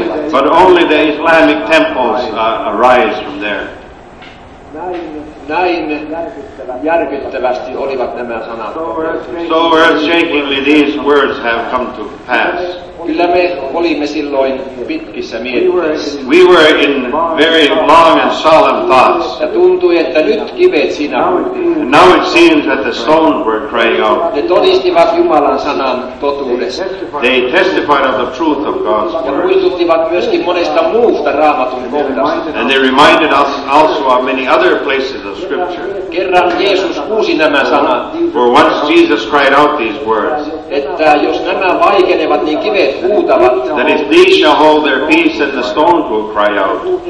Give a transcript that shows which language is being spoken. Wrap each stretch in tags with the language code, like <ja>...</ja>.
<en>But only the Islamic temples arise from there.</en> <fi>Näin järkyttävästi olivat nämä sanat.</fi> <en>So earth-shakingly these words have come to pass.</en> <fi>Kyllä me olimme silloin pitkissä mietteissä.</fi> <en>We were in very long and solemn thoughts.</en> <fi>Ja tuntui, että nyt kivet sinä.</fi> <en>And now it seems that the stones were crying out.</en> <fi>Ne todistivat Jumalan sanan totuudesta.</fi> <en>They testified of the truth of God's word.</en> <fi>Ja muistuttivat myöskin monesta muusta Raamatun kohdasta.</fi> <en>And they reminded us also of many other places of scripture.</en> <fi>Kerran Jeesus huusi nämä sanat.</fi> <en>For once Jesus cried out these words.</en> <fi>Että jos nämä vaikenevat, niin kivet huutavat.</fi> <en>That if these shall hold their peace, then the stone will cry out.</en>